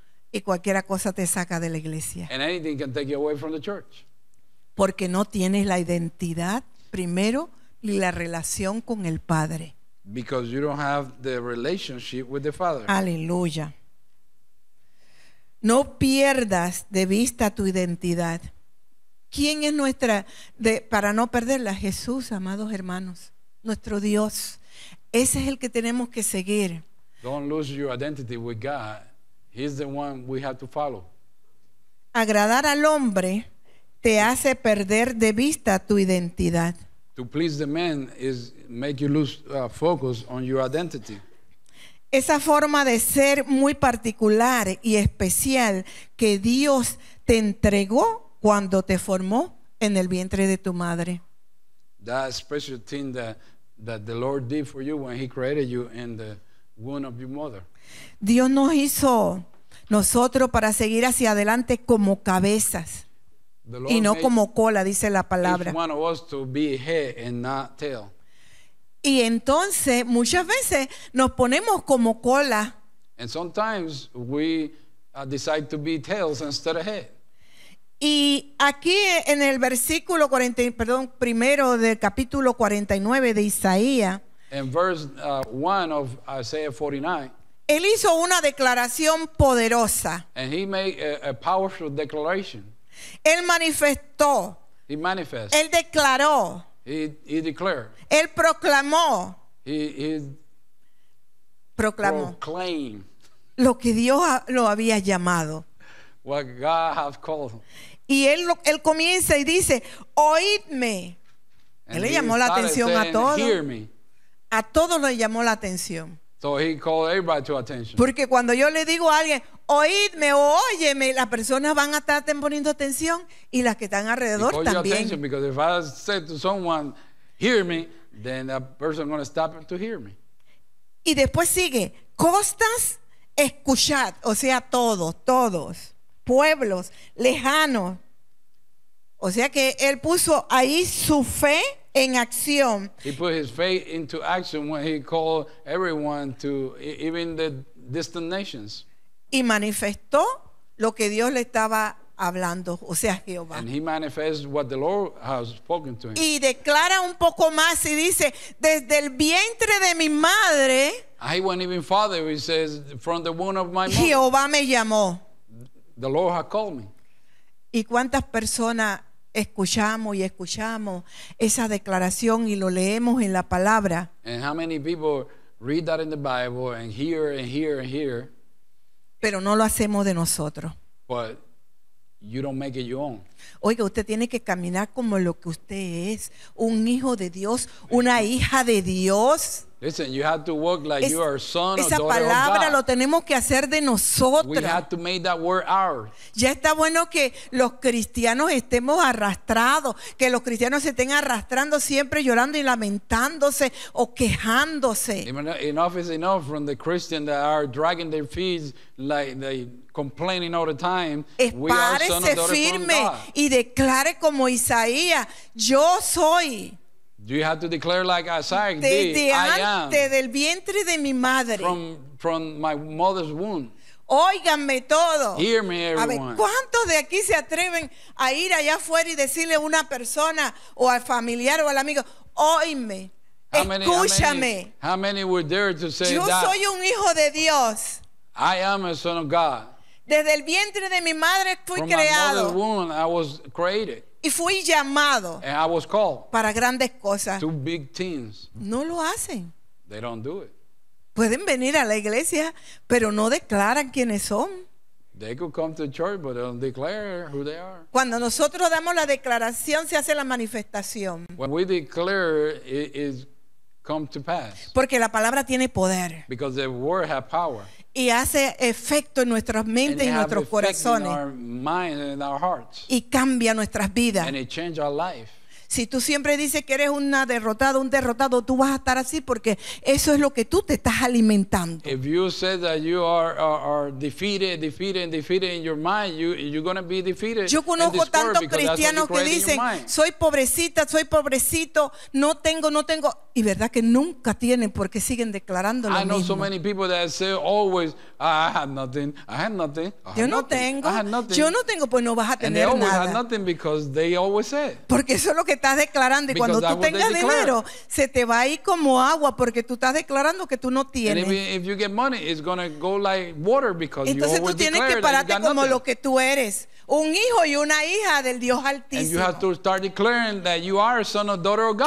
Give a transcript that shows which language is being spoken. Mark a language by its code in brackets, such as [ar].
[es] Y cualquiera cosa te saca de la iglesia. [en] And anything can take you away from the church. [es] Porque no tienes la identidad primero y la relación con el Padre. [en] Because you don't have the relationship with the Father. [es] Aleluya. No pierdas de vista tu identidad. ¿Quién es nuestra? Para no perderla, Jesús, amados hermanos, nuestro Dios. Ese es el que tenemos que seguir. [en] Don't lose your identity with God. He's the one we have to follow. [es] Agradar al hombre te hace perder de vista tu identidad. [en] To please the man is make you lose focus on your identity. [es] Esa forma de ser muy particular y especial que Dios te entregó cuando te formó en el vientre de tu madre. [en] That special thing that the Lord did for you when he created you in the womb of your mother. [es] Dios nos hizo nosotros para seguir hacia adelante como cabezas y no como cola, dice la palabra. [en] Each one of us to be head and not tail. [es] Y entonces muchas veces nos ponemos como cola. [en] And sometimes we decide to be tails instead of head. [es] Y aquí en el versículo 40, perdón, primero del capítulo 49 de Isaías. [en] In verse 1 of Isaiah 49. [es] Él hizo una declaración poderosa. [en] And he made a powerful declaration. [es] Él manifestó. [en] He manifested. [es] Él declaró. [en] He declared. [es] Él proclamó. [en] He [es] proclamó. [en] Proclaimed. [es] Lo que Dios lo había llamado. [en] What God has called. [es] Y él comienza y dice, oídme. Él le llamó la atención a todos. [en] Hear me. [es] A todos le llamó la atención. [en] So he called everybody to attention. [es] Porque cuando yo le digo a alguien, oídme o óyeme, las personas van a estar poniendo atención y las que están alrededor también. [en] Because if I say to someone, hear me, then that person going to stop to hear me. [es] Y después sigue, costas, escuchad, o sea, todos, pueblos, lejanos. O sea que él puso ahí su fe en acción. [en] He put his faith into action when he called everyone to even the distant nations. [es] Y manifestó lo que Dios le estaba hablando, o sea, Jehová. [en] And he manifests what the Lord has spoken to him. [es] Y declara un poco más y dice, desde el vientre de mi madre. [en] I went even farther. He says, from the womb of my mother. [es] Jehová me llamó. [en] The Lord has called me. [es] ¿Y cuántas personas escuchamos y escuchamos esa declaración y lo leemos en la palabra? [en] And how many people read that in the Bible and hear and hear and hear? [es] Pero no lo hacemos de nosotros. [en] But you don't make it your own. [es] Oiga, usted tiene que caminar como lo que usted es, un hijo de Dios, una hija de Dios. [en] Listen, you have to walk like you are a son or daughter of God. [es] Esa palabra lo tenemos que hacer de nosotros. [en] We have to make that word ours. [es] Ya está bueno que los cristianos estemos arrastrados, que los cristianos se estén arrastrando siempre llorando y lamentándose o quejándose. [en] Enough is enough from the Christians that are dragging their feet like they complaining all the time. [es] Espárese firme y declare como Isaías, yo soy. [en] You have to declare like Isaiah did. [es] Desde antes [en] I am [es] del vientre de mi madre. [en] From my mother's womb. [es] Óiganme todo. [en] Hear me, everyone. [es] A ver, ¿cuántos de aquí se atreven a ir allá afuera y decirle a una persona o al familiar o al amigo, óime, escúchame? [en] How many were there to say [es] yo [en] that? [es] Yo soy un hijo de Dios. [en] I am a son of God. [es] Desde el vientre de mi madre fui [en] from [es] creado. [en] From my mother's womb, I was created. [es] Y fui llamado para grandes cosas. [en] To big things. [es] No lo hacen. [en] They don't do it. [es] Pueden venir a la iglesia, pero no declaran quiénes son. [en] They could come to church, but they don't declare who they are. [es] Cuando nosotros damos la declaración, se hace la manifestación. [en] When we declare, it is come to pass. [es] Porque la palabra tiene poder. [en] Because the word has power. [es] Y hace efecto en nuestras mentes y nuestros corazones. [en] Our mind and our hearts. [es] Y cambia nuestras vidas. [en] And it changes our life. [es] Si tú siempre dices que eres una derrotada, un derrotado, tú vas a estar así porque eso es lo que tú te estás alimentando. [en] If you say that you are defeated, defeated, defeated in your mind, you're going to be defeated. [es] Yo conozco tantos cristianos que dicen, soy pobrecita, soy pobrecito, no tengo, y verdad que nunca tienen porque siguen declarando lo mismo. [en] I know so many people that say always, I have nothing. [es] Yo no tengo, pues no vas a tener nada. [en] And they always have nothing because they always say. [es] Porque eso es lo que estás declarando. Y cuando tú tengas dinero, se te va a ir como agua, porque tú estás declarando que tú no tienes. [en] If you get money, it's gonna go like water because [es] entonces [en] you [es] tú tienes que pararte como lo que tú eres, un hijo y una hija del Dios Altísimo. [en] And you have to start declaring that you are a son or daughter of God.